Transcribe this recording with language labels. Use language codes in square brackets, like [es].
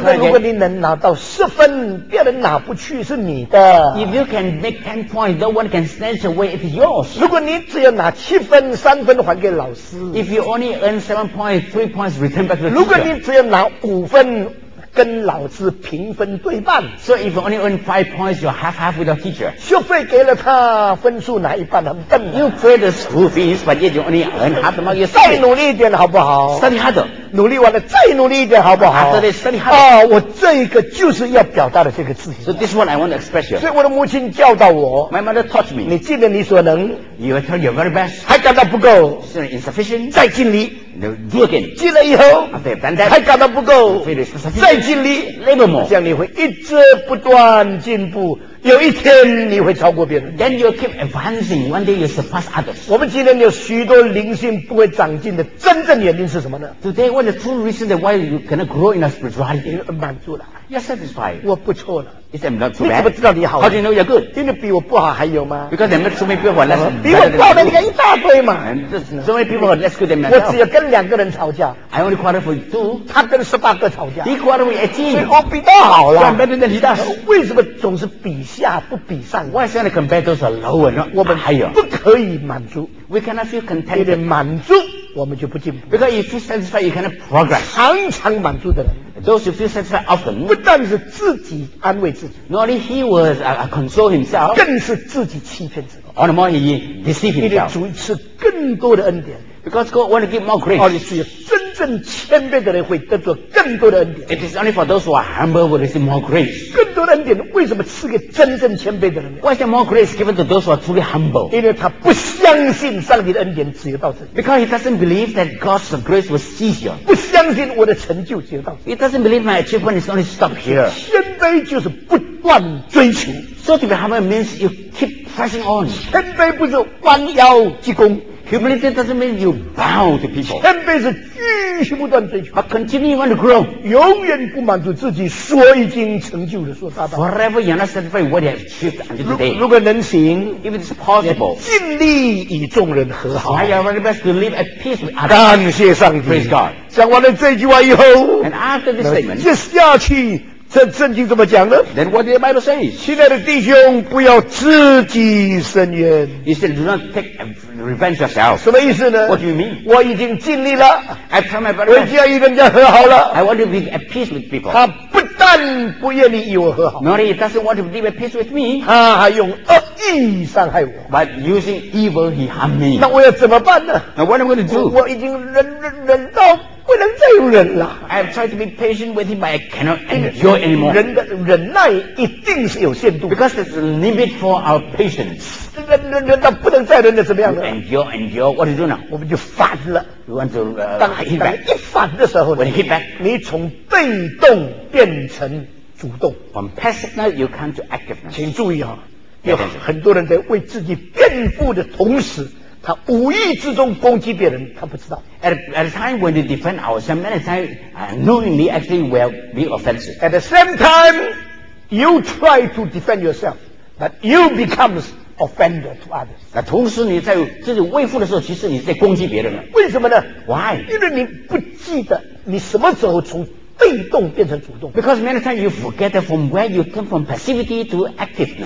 [zh] 他说如果你能拿到十分，别人拿不去是你的。 [en] If you can make 10 points, no one can snatch away. It's yours. [zh] 如果你只有拿七分，三分还给老师。 [en] If you only earn 7 points, 3 points return back to the teacher. [zh] 如果你只有拿五分，跟老师平分对半。 [en] So if you only earn 5 points, you're half-half with your teacher. [zh] 学费给了他，分数拿一半，很笨。 [en] You pay the school fees, but yet you only earn half the mark. [zh] 再努力一点好不好 [en] ？Study harder. [zh] 努力完了再努力一点好不好 [en] ？After this, study harder. [zh] 啊，我这一个就是要表达的这个字。 [en] So this one I want to express you. [zh] 所以我的母亲教导我。 [en] My mother taught me. [zh] 你尽了你所能。 [en] You have done your very best. [zh] 还感到不够。 [en] Still insufficient. [zh] 再尽力。 [en] Now do again. [zh] 尽了以后。 [en] After you've done that. [zh] 还感到不够。 [en] Finish. [zh] 再尽力。 [en] Labor more. [zh] 这样你会一直不断进步。有一天你会超过别人 [en] Then you keep advancing One day you surpass others [zh] 我们今天有许多灵性不会长进的真正原因是什么呢 [en] Today what the true reason that Why you cannot grow in a spirituality [zh] 你满足了 [en] You're satisfied [zh] 我不错了 [en] You say I'm not too bad [zh] 你怎么知道你好 [en] How do you know you're good [zh] 因为比我不好还有吗 [en] Because there are so many people who are less [zh] good 比我不好的你看一大堆嘛 [en] So many people who are less good than myself [zh] 我只有跟两个人吵架 [en] I only quarrel for two [zh] 他跟18个吵架 [en] He quarrel with 18 [zh] 所以我比他好了 [en] So I'm better than he does [zh] 为什么总是比下不比上 [en] Why is it that compared those are lower not [zh] 我们不可以满足 [en] We cannot feel contented [zh] 因为满足我们就不进步 [en] Because if you feel satisfied you cannot progress [zh] 常常满足的人 [en] Those who feel satisfied often [zh] 不但是自己安慰自己 [en] Not only he was console himself [zh] 更是自己欺骗自己 [en] On the more he deceived himself [zh] 因为主赐更多的恩典 [en] Because God want to give more grace [zh] 而且是有真正谦卑的人会得到更多的恩典 [en] It is only for those who are humble will receive more grace [zh] 恩典为什么赐给真正谦卑的人 [en] Why is there more grace given to those who are truly humble? [zh] 因为他不相信上帝的恩典只有到这里 [en] Because he doesn't believe that God's grace will cease here [zh] 不相信我的成就只有到这里 [en] He doesn't believe my achievement is only stop here [zh] 谦卑就是不断追求 [en] So to be humble means you keep pressing on [zh] 谦卑不是弯腰鞠躬 [en] Humility doesn't mean you bow to people [zh] 谦卑是继续不断追求 [en] But continue on to grow [zh] 永远不满足自己所已经成就的说大道 [en] Forever you're not satisfied what you have achieved until today [zh] 如果能行 [en] If it's possible [zh] 尽力与众人和好 [en] Try your very best to live at peace with others [zh] 感谢上帝 [en] Praise God [zh] 讲完了这句话以后 [en] And after this statement [zh] 接下去这圣经怎么讲呢？ [en] Then what did the Bible say? [zh] 亲爱的弟兄，不要自己伸冤。 [en] He said, do not take revenge yourself. [zh] 什么意思呢？ [en] What do you mean? [zh] 我已经尽力了。 [en] I tried my best. [zh] 我已经与人家和好了。 [en] I want to be at peace with people. [zh] 他不但不愿意与我和好。 [en] Not he doesn't want to be at peace with me. [zh] 他还用恶意伤害我。 [en] But using evil, he harmed me. [zh] 那我要怎么办呢？ [en] Now what am I going to do? [zh] 我已经忍到不能再忍了。 [en] I've tried to be patient with him, but I cannot endure anymore. [zh] 人的忍耐一定是有限度。 [en] Because there's a limit for our patience. [zh] 忍到不能再忍的怎么样呢？ [en] Endure. What do you do now? [zh] 我们就反了。 [en] You want to hit back? [zh] 当一反的时候呢？ [en] When you hit back, [zh] 你从被动变成主动。 [en] From passiveness, you come to activeness. [zh] 请注意啊，有很多人在为自己辩护的同时，他无意之中攻击别人，他不知道。 [en] At a time when we defend ourselves, many times knowingly actually we are being offensive. At the same time, you try to defend yourself, but you becomes offender to others. [zh] 那同时你在自己为父的时候，其实你在攻击别人了。为什么呢 [en] ？Why? [zh] 因为你不记得你什么时候从被动变成主动。 [en] Because many times you forget from where you come from passivity to activeness.